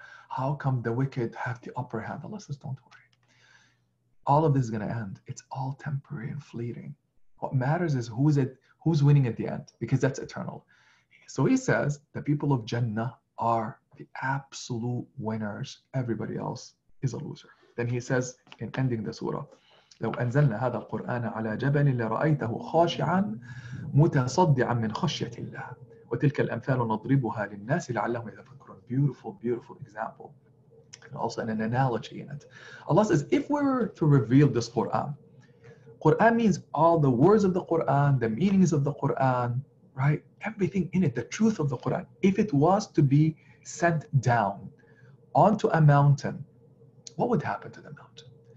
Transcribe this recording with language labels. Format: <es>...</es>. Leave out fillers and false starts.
<en>How come the wicked have the upper hand? Allah says, don't worry. All of this is going to end. It's all temporary and fleeting. What matters is who's winning at the end, because that's eternal. So he says, the people of Jannah are the absolute winners. Everybody else is a loser.</en> <ar>Then he says, in ending the surah, لو أنزلنا هذا القرآن على جبل لرأيته خاشعا متصدعا من خشية الله وتلك الأمثال نضربها للناس لعلهم يتفكرون.</ar> <en>Beautiful, beautiful example. And also an analogy in it. Allah says, if we were to reveal this Quran, Quran means all the words of the Quran, the meanings of the Quran, right? Everything in it, the truth of the Quran. If it was to be sent down onto a mountain, what would happen to the mountain?</en>